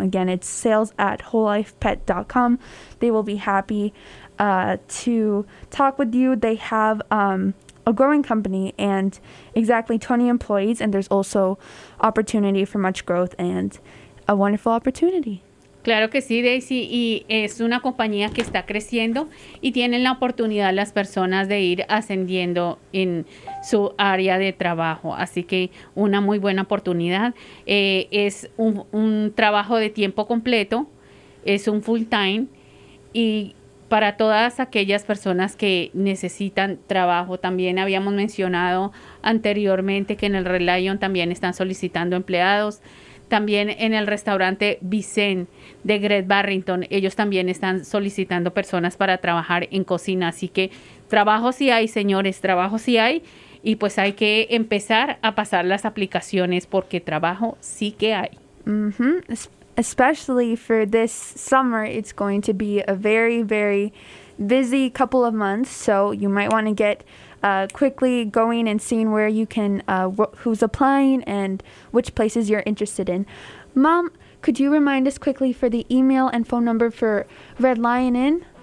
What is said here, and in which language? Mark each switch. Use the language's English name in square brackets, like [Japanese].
[English] Again, it's sales@wholelifepet.com. They will be happy to talk with you. They have a growing company and exactly 20 employees, and there's also opportunity for much growth and a wonderful opportunity. [Spanish] Claro que sí, Daisy, y es una compañía que está creciendo y tienen la oportunidad las personas de ir ascendiendo en su área de trabajo. Así que una muy buena oportunidad. Es un trabajo de tiempo completo, es un [English] full time, [Spanish] y para todas aquellas personas que necesitan trabajo. También habíamos mencionado anteriormente que en el Red Lion también están solicitando empleados. También en el restaurante Vicente de Great Barrington, ellos también están solicitando personas para trabajar en cocina. Así que trabajo sí hay, señores, trabajo sí hay. Y pues hay que empezar a pasar las aplicaciones porque trabajo sí que hay. Mm-hmm. [English] Especially for this summer, it's going to be a very, very busy couple of months. So you might want to get quickly going and seeing where you can, who's applying and which places you're interested in. Mom, could you remind us quickly for the email and phone number for Red Lion Inn?